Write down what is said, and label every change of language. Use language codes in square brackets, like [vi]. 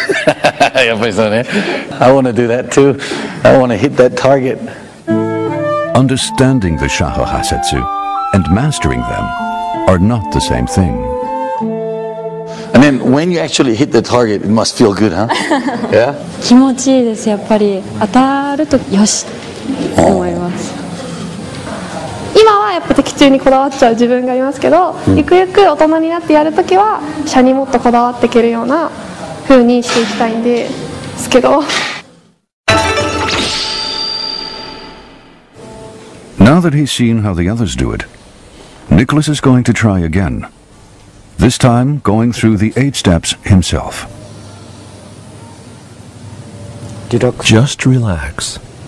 [en] I want to do that too. I want to hit that target. Understanding the Shaho Hassetsu and mastering them are not the same thing. I mean, Then when you actually hit the target, it must feel good, huh? Yeah? [ja] 気持ちいいです。やっぱり当たるとよしと思います。今はやっぱ的中にこだわっちゃう自分がいますけど、ゆくゆく大人になってやるときは、射にもっとこだわっていけるような風にしていきたいんですけど。 [en] Now that he's seen how the others do it, Nicholas is going to try again. This time, going through the 8 steps himself. Just relax.